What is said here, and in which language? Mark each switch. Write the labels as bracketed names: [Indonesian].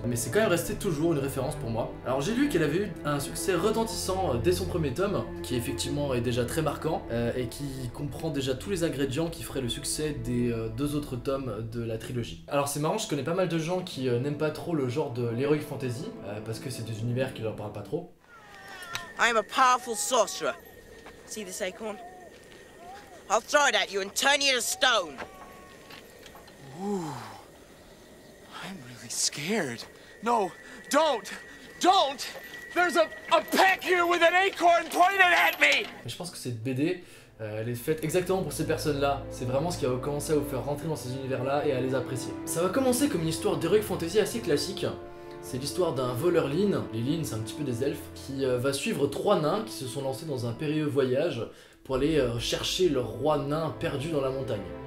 [French] Mais c'est quand même resté toujours une référence pour moi. Alors j'ai lu qu'elle avait eu un succès retentissant dès son premier tome, qui effectivement est déjà très marquant et qui comprend déjà tous les ingrédients qui feraient le succès des deux autres tomes de la trilogie. Alors c'est marrant, je connais pas mal de gens qui n'aiment pas trop le genre de l'heroic fantasy parce que c'est des univers qui leur parlent pas trop. [English] I am a powerful sorcerer. See this acorn? I'll throw it at you and turn you to stone. Ooh. I'm really scared. No, don't! Don't! There's a peck here with an acorn pointed at me! [French] Je pense que cette BD, elle est faite exactement pour ces personnes-là. C'est vraiment ce qui va commencer à vous faire rentrer dans ces univers-là et à les apprécier. Ça va commencer comme une histoire d'heroic fantasy assez classique. C'est l'histoire d'un voleur Lin. Les Lin, c'est un petit peu des elfes, qui va suivre trois nains qui se sont lancés dans un périlleux voyage pour aller chercher leur roi nain perdu dans la montagne.